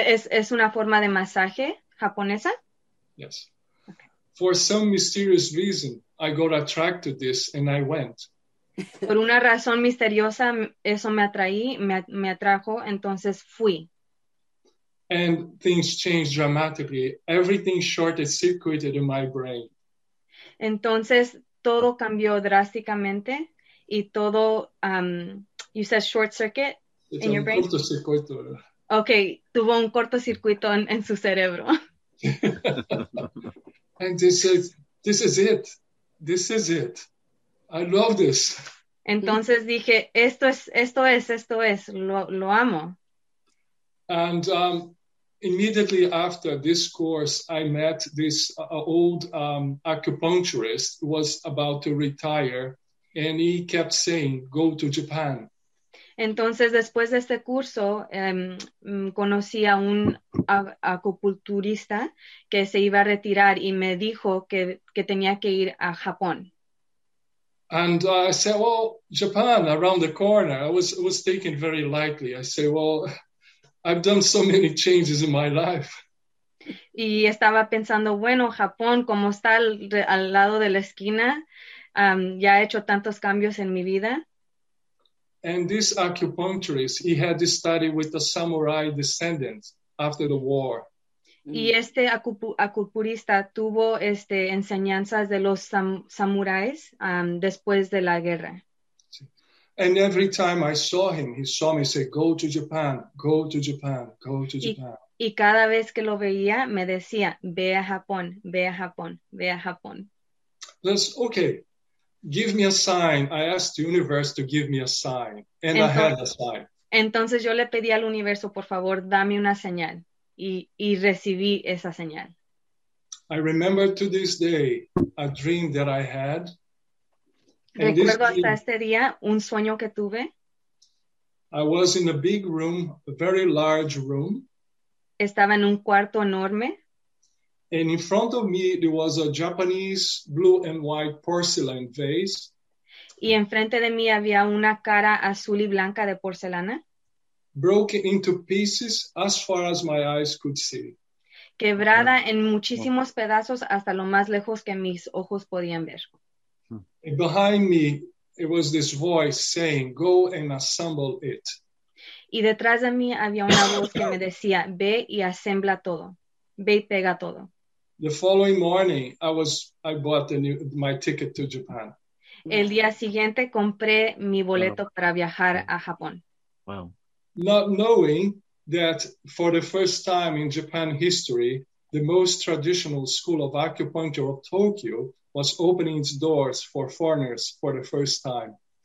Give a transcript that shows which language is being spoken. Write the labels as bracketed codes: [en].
[es] Es una forma de masaje japonesa. [en] Yes. Okay. For some mysterious reason, I got attracted to this and I went. [es] Por una razón misteriosa, eso me atrajo, entonces fui. [en] And things changed dramatically. Everything short-circuited in my brain. [es] Entonces, todo cambió drásticamente y todo, [en] you said short-circuit in your brain? [es] Un cortocircuito. Okay, tuvo un cortocircuito en su cerebro. [en] And this is it. This is it. I love this. [es] Entonces dije, esto es, lo amo. [en] And immediately after this course, I met this old acupuncturist who was about to retire, and he kept saying, go to Japan. [es] Entonces, después de este curso, conocí a un acupunturista que se iba a retirar y me dijo que tenía que ir a Japón. [en] And I said, well, Japan, around the corner. I was taken very lightly. I said, well, I've done so many changes in my life. [es] Y estaba pensando, bueno, Japón, como está al lado de la esquina, ya he hecho tantos cambios en mi vida. [en] And this acupuncturist, he had this study with the samurai descendants after the war. [es] Y este acupunturista tuvo enseñanzas de los samuráis después de la guerra. [en] And every time I saw him, he saw me say, go to Japan, go to Japan, go to Japan. [es] Y cada vez que lo veía, me decía, ve a Japón, ve a Japón, ve a Japón. [en] That's okay. Give me a sign. I asked the universe to give me a sign. And [es] entonces, [en] I had a sign. [es] Entonces yo le pedí al universo, por favor, dame una señal. Y recibí esa señal. [en] I remember to this day a dream that I had. [es] Recuerdo hasta dream, este día un sueño que tuve. [en] I was in a big room, a very large room. [es] Estaba en un cuarto enorme. [en] And in front of me there was a Japanese blue and white porcelain vase. [es] Y enfrente de mí había una cara azul y blanca de porcelana. [en] Broken into pieces as far as my eyes could see. [es] Quebrada en muchísimos pedazos hasta lo más lejos que mis ojos podían ver. [en] And behind me, it was this voice saying, go and assemble it. [es] Y detrás de mí había una voz que me decía, ve y asembla todo. Ve y pega todo. [en] The following morning, I bought my ticket to Japan. [es] El día siguiente compré mi boleto para viajar a Japón. [en] Wow. Not knowing that for the first time in Japan history, the most traditional school of acupuncture of Tokyo was opening its doors for foreigners for the first time.